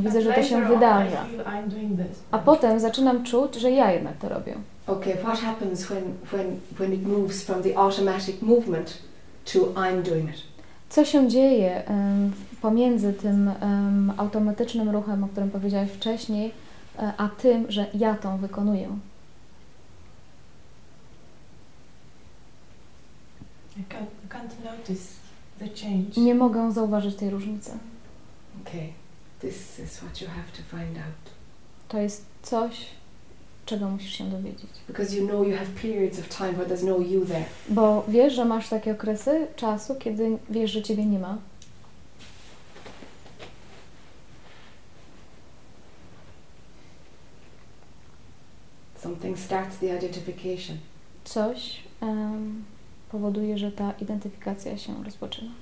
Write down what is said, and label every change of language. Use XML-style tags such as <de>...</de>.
<pl>Widzę, że to się wydarza. A potem zaczynam czuć, że ja jednak to robię.</pl> <en>Okay, what happens when it moves from the automatic movement to I'm doing it?</en> <pl>Co się dzieje pomiędzy tym automatycznym ruchem, o którym powiedziałeś wcześniej, a tym, że ja to wykonuję?</pl> <en>I can't notice the change.</en> <pl>Nie mogę zauważyć tej różnicy.</pl> <en>Okay. This is what you have to find out.</en> <pl>To jest coś, czego musisz się dowiedzieć.</pl> <en>Because you know you have periods of time where there's no you there.</en> <pl>Bo wiesz, że masz takie okresy czasu, kiedy wiesz, że ciebie nie ma.</pl> <en>Something starts the identification.</en> <pl>Coś powoduje, że ta identyfikacja się rozpoczyna.</pl>